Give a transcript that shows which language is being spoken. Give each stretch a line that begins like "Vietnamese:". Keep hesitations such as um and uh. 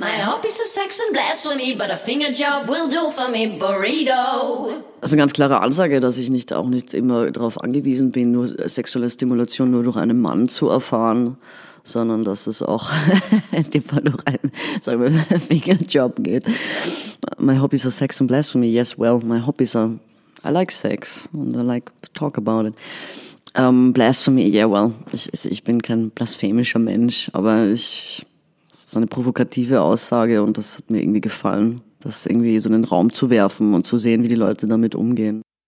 English: my hobbies are sex and blasphemy, but a finger job will do for me, burrito.
German: Das ist eine ganz klare Ansage, dass ich nicht auch nicht immer darauf angewiesen bin, nur äh, sexuelle Stimulation nur durch einen Mann zu erfahren, sondern dass es auch in dem Fall durch einen sagen wir, finger job geht.
English: My hobbies are sex and blasphemy. Yes, well, my hobbies are I like sex and I like to talk about it.
German: Ähm, um, Blasphemy, ja,
English: yeah, well,
German: ich, ich, bin kein blasphemischer Mensch, aber es ist eine provokative Aussage und das hat mir irgendwie gefallen, das irgendwie so in den Raum zu werfen und zu sehen, wie die Leute damit umgehen.